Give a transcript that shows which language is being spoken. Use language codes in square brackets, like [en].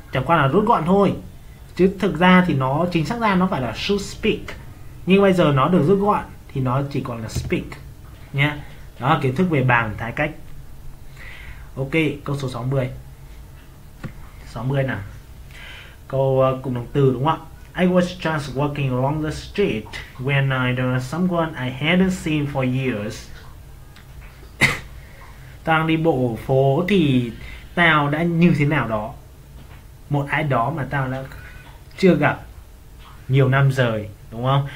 [vi] Chẳng qua là rút gọn thôi. Chứ thực ra thì nó chính xác ra nó phải là should speak. Nhưng bây giờ nó được rút gọn thì nó chỉ còn là speak nha. Đó là kiến thức về bàng thái cách. Ok, câu số 60 nào. Câu cụm động từ đúng không ạ? [en] I was just walking along the street when I saw someone I hadn't seen for years. [vi] Đang đi bộ phố thì tao đã như thế nào đó, một ai đó mà tao đã chưa gặp nhiều năm rồi, đúng không?